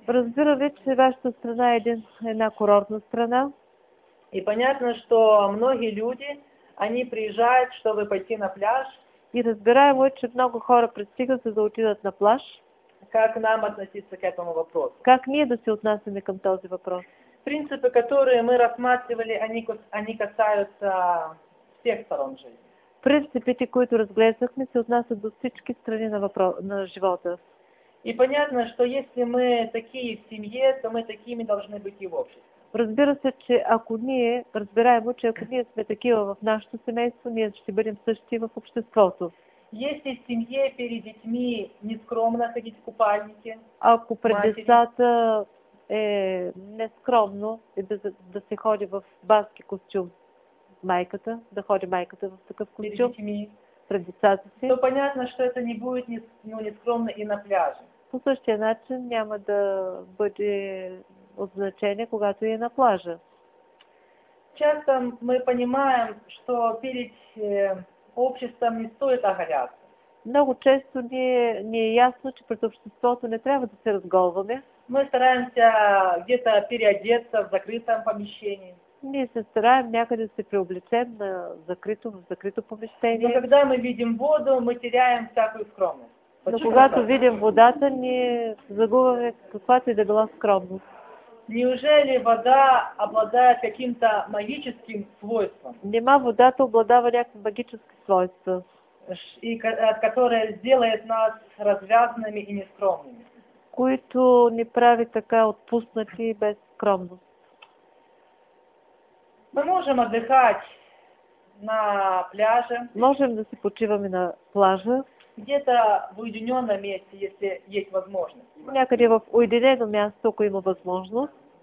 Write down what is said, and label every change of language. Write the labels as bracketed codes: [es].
[bg] Разбирам ви, че вашата страна е една курортна страна. [ru] И понятно, что многие люди, они приезжают, чтобы пойти на пляж. [bg] И разбираемо, че много хора пристигат, за да отидат на плаж. [ru] Как нам относиться к этому вопросу? [bg] Как ние да се отнасяме към този въпрос? [ru] Принципы, которые мы рассматривали, они касаются всех сторон жизни. [bg] Принципите, които разглеждахме, се отнасят до всички страни на, на живота. [ru] И понятно, что если мы такие в семье, то мы такими должны быть и в обществе. [bg] Разбира се, че ако ние, разбираемо, че ако ние сме такива в нашето семейство, ние ще бъдем същи в обществото. [ru] Если в семье перед детьми нескромно ходить в купальнике, [bg] ако пред децата е нескромно е да се ходи в баски костюм майката, да ходи майката в такъв костюм пред децата си, [ru] то понятно, что это не будет нескромно и на пляже. [bg] По същия начин няма да бъде от значение, когато е на плажа. [ru] Часто мы понимаем, что перед обществом не стоит оголяться. [bg] Много често не е ясно, че пред обществото не трябва да се разголваме. [ru] Мы стараемся где-то переодеться в закрытом помещении. [bg] Ние се стараем някъде да се преоблечем на закрито, в закрито помещение. [ru] Но когда мы видим воду, мы теряем всякую скромность. Почувствую. [bg] Но когато видим водата, ние загубваме каквато и да била скромност. [ru] Неужели вода обладает каким-то магическим свойством? [bg] Нема водата обладава някакви магически свойства. [ru] И которая сделает нас развязными и нескромными. [bg] Които ни прави така отпуснати и без скромност. [ru] Мы можем отдыхать на пляже. [bg] Можем да си почиваме на плажа. [ru] Где-то в уединенном месте, если есть возможность. [bg] Някъде в уединено място, ако има възможност.